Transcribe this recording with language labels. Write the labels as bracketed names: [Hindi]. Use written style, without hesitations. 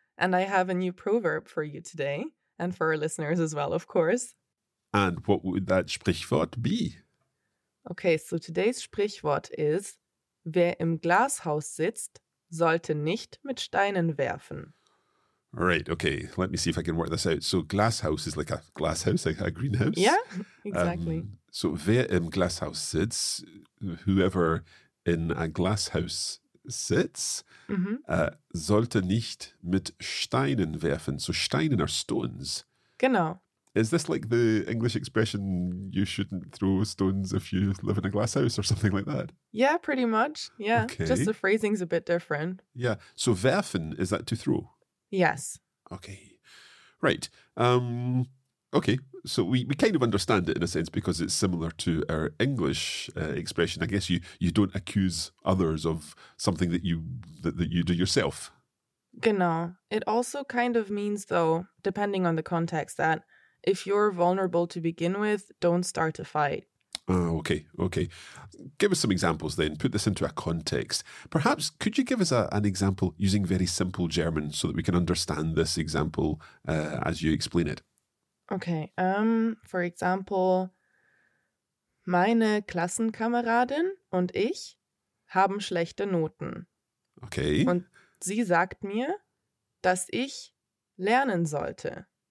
[English] And I have a new proverb for you today, and for our listeners as well, of course. And what would that Sprichwort be? Okay, so today's Sprichwort is, [German] wer im Glashaus sitzt, sollte nicht mit Steinen werfen. [English] Right, okay, let me see if I can work this out. So glasshouse is like a glasshouse, like a greenhouse. Yeah, exactly. [German] So wer im Glashaus sitzt, [English] whoever in a glasshouse sits, [German] sollte nicht mit Steinen werfen. [English] So Steinen are stones. [German] Genau. [English] Is this like the English expression, you shouldn't throw stones if you live in a glass house or something like that? Yeah, pretty much. Yeah, okay. Just the phrasing's a bit different. Yeah. So werfen, is that to throw? Yes. Okay. Right. Okay. So we kind of understand it in a sense because it's similar to our English expression. I guess you don't accuse others of something that you do yourself. [German] Genau. [English] It also kind of means, though, depending on the context, that if you're vulnerable to begin with, don't start a fight. Oh, okay. Give us some examples then. Put this into a context. Perhaps could you give us an example using very simple German so that we can understand this example as you explain it? Okay. For example, [German] meine Klassenkameradin und ich haben schlechte Noten. [English] Okay. [German] Und sie sagt mir, dass ich lernen sollte.